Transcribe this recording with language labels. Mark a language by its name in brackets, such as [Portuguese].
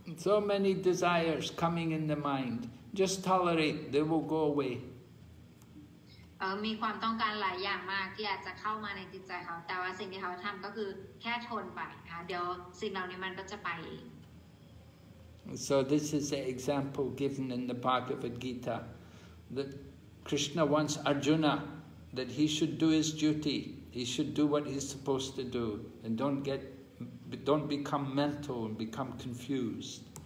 [English] So many desires coming in the mind just tolerate they will go away [Thai] มีความต้องการหลายอย่างมากที่อาจจะเข้ามาในจิตใจเขาแต่ว่าสิ่งที่เขาทำก็คือแค่ทนไปค่ะเดี๋ยวสิ่งเหล่านี้มันก็จะไป [English] So this is the example given in the Bhagavad Gita that Krishna wants ArjunaThat he should do his duty. He should do what he's supposed to do, and don't become mental and become confused.